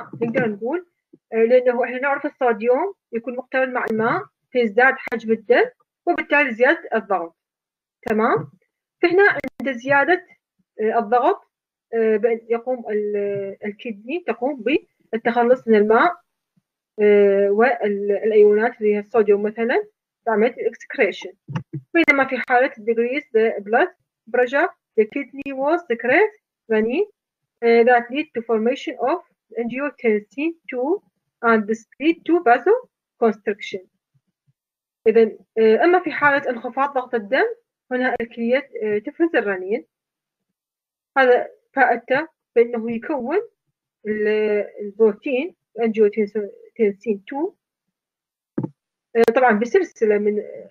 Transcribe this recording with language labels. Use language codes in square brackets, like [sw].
[ar] نقدر نقول لأنه إحنا نعرف الصوديوم يكون مقترن مع الماء فيزداد حجم الدم وبالتالي زيادة الضغط. تمام، فهنا عند زيادة الضغط يقوم الكدني تقوم بالتخلص من الماء والأيونات اللي هي الصوديوم مثلاً، تعمل الإكسكريشن. بينما في حالة [en] decrease the blood pressure the kidney was secrete renin that lead to formation of angiotensin 2 and this lead to vasoconstriction. [ar] إذا أما في حالة انخفاض ضغط الدم هنا الكلية تفرز الرنين، هذا فائدته بأنه يكون البروتين angiotensin 2 طبعا بسلسلة من